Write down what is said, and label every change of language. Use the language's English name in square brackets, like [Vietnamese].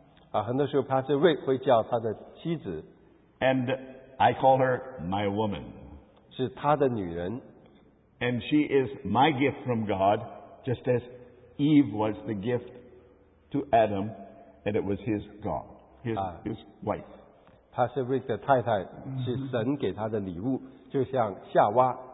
[Chinese] 很多时候 Pastor Rick 会叫他的妻子, [English] and I call her my woman. [Chinese] 是他的女人, [English] and she is my gift from God, just as Eve was the gift to Adam, and it was his God, his wife. [Chinese] Pastor Rick的太太是神给他的礼物, 就像夏娃。